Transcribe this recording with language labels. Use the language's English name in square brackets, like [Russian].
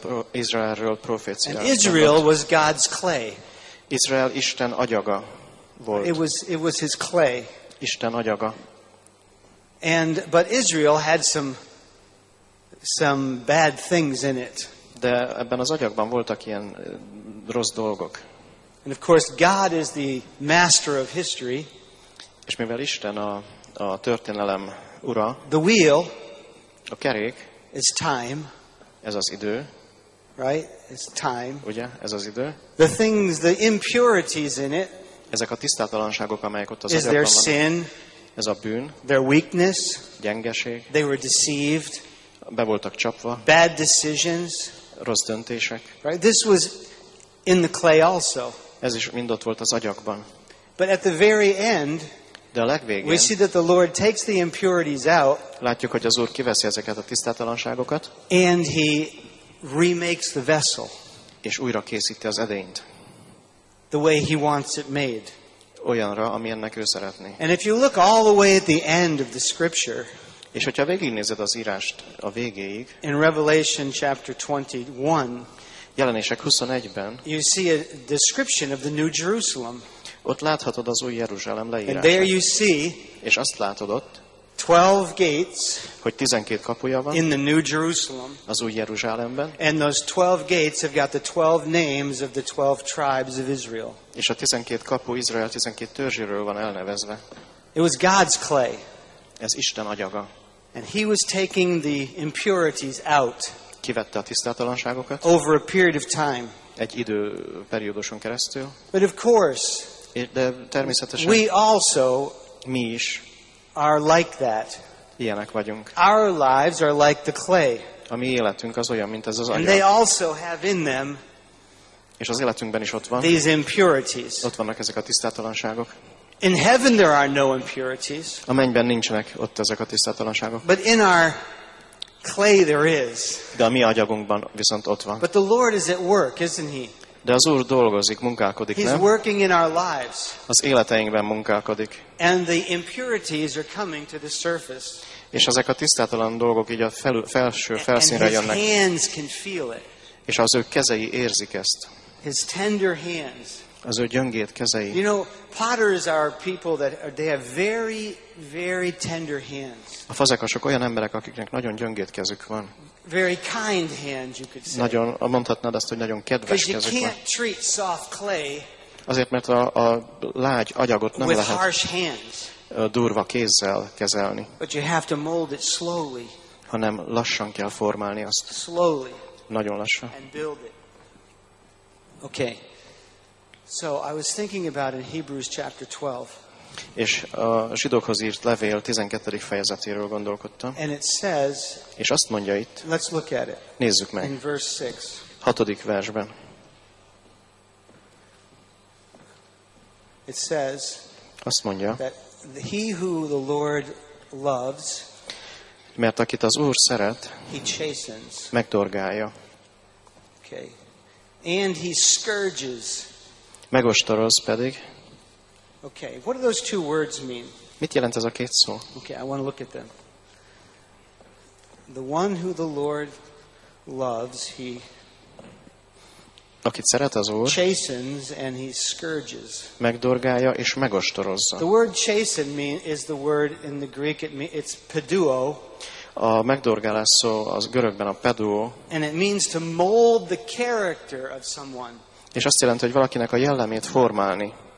[Hungarian] Israelről proféciázott. [English] And Israel was God's clay. [Hungarian] Izrael Isten agyaga volt. [English] It was his clay. [Hungarian] Isten agyaga. [English] But Israel had some bad things in it. [Hungarian] De ebben az agyagban voltak ilyen rossz dolgok. [English] And of course God is the master of history. [Hungarian] És mivel Isten a történelem ura. [English] The wheel. [Hungarian] A kerék. [English] Is time. [Hungarian] Ez az idő. [English] Right? It's time. [Hungarian] Ugye? Ez az idő. [English] The things, the impurities in it. [Hungarian] Ezek a tisztátalanságok, amelyek ott az agyagban. [English] Is their sin. [Hungarian] Ez a bűn. [English] Their weakness. [Hungarian] Gyengeség. [English] They were deceived. [Hungarian] Be voltak csapva. [English] Bad decisions. [Hungarian] Rossz döntések. [English] Right? This was in the clay also. [Hungarian] Ez is mind ott volt az agyakban. [English] But at the very end, [Hungarian] de a legvégén, [English] we see that the Lord takes the impurities out. [Hungarian] Látjuk, hogy az Úr kiveszi ezeket a tisztátalanságokat. [English] And he remakes the vessel. [Hungarian] És újra készíti az edényt. [English] The way he wants it made. [Hungarian] Olyanra, amilyennek ő szeretné. [English] And if you look all the way at the end of the scripture, [Hungarian] és hogyha végignézed az írást a végéig, [English] in Revelation chapter 21, [Hungarian] Jelenések 21-ben, [English] you see a description of the New Jerusalem. [Hungarian] Ott láthatod az új Jeruzsálem leírását. [English] And there you see, [Hungarian] és azt látod ott, [English] 12 gates, [Hungarian] hogy 12 kapuja van, [English] in the New Jerusalem, [Hungarian] az új Jeruzsálemben. [English] And those 12 gates have got the 12 names of the 12 tribes of Israel. [Hungarian] És a 12 kapu Izrael 12 törzséről van elnevezve. [English] It was God's clay. [Hungarian] Ez Isten agyaga. [English] And he was taking the impurities out. [Hungarian] Kivette a tisztátalanságokat. [English] Over a period of time. [Hungarian] Egy idő perióduson keresztül. [English] But of course, [Hungarian] de természetesen [English] we also, [Hungarian] mi is [English] are like that. [Hungarian] Ilyenek vagyunk. [English] Our lives are like the clay. [Hungarian] A mi életünk az olyan, mint ez az agyag. [English] And they also have in them, [Hungarian] és az életünkben is ott van, [English] these impurities. [Hungarian] Ott vannak ezek a tisztátalanságok. [English] In heaven there are no impurities. [Hungarian] A mennyben nincsenek ott ezek a tisztátalanságok. [English] But in our clay there is. [Hungarian] De a mi agyagunkban viszont ott van. [English] But the Lord is at work, isn't he? [Hungarian] De az Úr dolgozik, munkálkodik, [English] he's [Hungarian] nem? [English] Working in our lives. [Hungarian] Az életeinkben munkálkodik. [English] And the impurities are coming to the surface. [Hungarian] És ezek a tisztátalan dolgok így a felső felszínre jönnek. [English] And his hands can feel it. [Hungarian] És az ő kezei érzik ezt. [English] His tender hands. [Hungarian] Az ő gyöngéd kezei. [English] You know, potters are people that are, they have very, very tender hands. [Hungarian] A fazekasok olyan emberek, akiknek nagyon gyöngéd kezük van. [English] Very kind hands, you could say. [Hungarian] Nagyon, mondhatnád azt, hogy nagyon kedves kezük van. [English] Because you can't treat soft clay. [Hungarian] Azért, mert a lágy agyagot nem lehet [English] harsh hands. [Hungarian] Durva kézzel kezelni. [English] But you have to mold it slowly. [Hungarian] Hanem lassan kell formálni azt. [English] Slowly. [Hungarian] Nagyon lassan. [English] And build it. Okay. So I was thinking about in Hebrews chapter 12. [Hungarian] És a zsidókhoz írt levél 12. fejezetéről gondolkodtam. [English] And it says, [Hungarian] és azt mondja itt. [English] Let's look at it. [Hungarian] Nézzük meg. [English] In verse 6. [Hungarian] 6. versben. [English] It says, [Hungarian] azt mondja, [English] that he who the Lord loves, [Hungarian] mert akit az Úr szeret, [English] he chastens. [Hungarian] Megdorgálja. [English] Okay. And he scourges. [Hungarian] Megostoroz pedig. [English] Okay, what do those two words mean? [Hungarian] Mit jelent ez a két szó? [English] Okay, I want to look at them. The one who the Lord loves, he, [Hungarian] akit szeret az Úr, [English] chastens and he scourges. [Hungarian] Megdorgálja és megostorozza. [English] The word chasten mean is the word in the Greek, it's peduo. [Hungarian] A megdorgálás szó az görögben a peduo. [English] And it means to mold the character of someone. [Hungarian] És azt jelenti, hogy valakinek a jellemét formálni.